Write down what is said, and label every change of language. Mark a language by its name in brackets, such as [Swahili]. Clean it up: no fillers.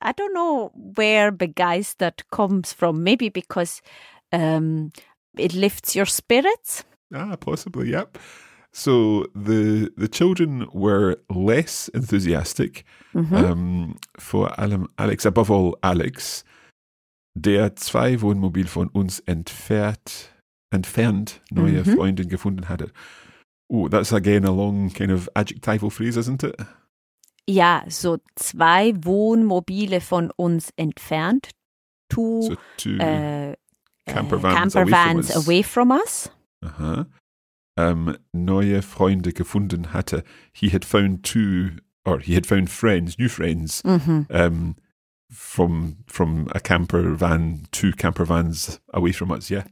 [English] I don't know where begeistert comes from. Maybe because it lifts your spirits. Ah, possibly, yep. So the children were less enthusiastic. Mm-hmm. For Alex, above all, [German] Alex, der zwei Wohnmobil von uns entfernt entfernt neue mm-hmm. Freundin gefunden hatte. [English] Oh, that's again a long kind of adjectival phrase, isn't it? [German] Ja, so zwei Wohnmobile von uns entfernt. [English] Two campervans away from us. Uh-huh. [German] Neue Freunde gefunden hatte. [English] He had found new friends mm-hmm. from a camper van, two camper vans away from us, yeah?